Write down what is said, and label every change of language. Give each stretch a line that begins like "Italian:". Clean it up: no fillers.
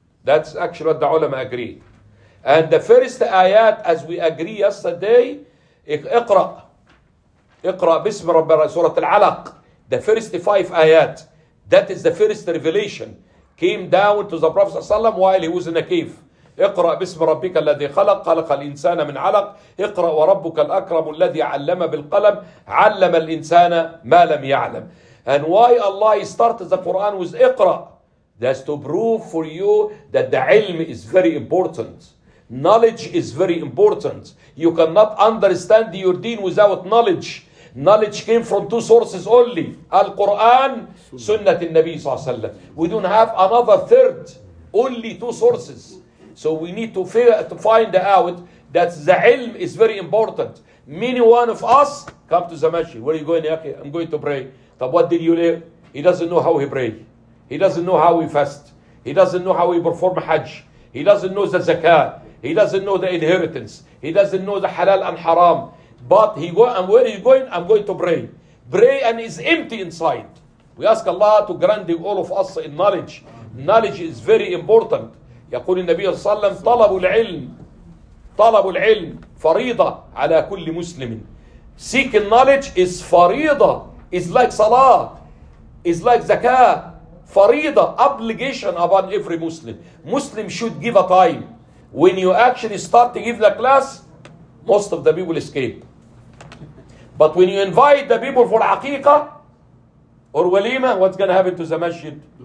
English: That's actually what the ulama agreed. And the first ayat, as we agree yesterday, iqra bism rabbi surah al-alaq. The first 5 ayat, that is the first revelation, came down to the Prophet ﷺ while he was in a cave.
Arabic: اقرا باسم ربك الذي خلق خلق الانسان من علق اقرا وربك الاكرم الذي علم بالقلم علم الانسان ما لم يعلم.
English: And why Allah started the Quran with Iqra? That's to prove for you that the ilm is very important. Knowledge is very important. You cannot understand your deen without knowledge. Knowledge came from two sources only. Al-Quran, Sunnah al-Nabi sallallahu alayhi wa sallam. We don't have another third. Only two sources. So we need to find out that the ilm is very important. Many one of us come to the masjid. Where are you going? Okay, I'm going to pray. But what did you learn? He doesn't know how he pray. He doesn't know how he fast. He doesn't know how he perform hajj. He doesn't know the zakah. He doesn't know the inheritance. He doesn't know the halal and haram. But he go, and where are you going? I'm going to pray. Pray and it's empty inside. We ask Allah to grant all of us in knowledge. Knowledge is very important.
Arabic: يقول النبي صلى الله عليه وسلم طلب العلم فريضة على كل مسلم.
English: Seeking knowledge is فريضة. It's like salah, it's like zakah, farida, obligation upon every Muslim. Muslim should give a time. When you actually start to give the class, most of the people escape. But when you invite the people for haqiqa or walima, what's going to happen to the masjid?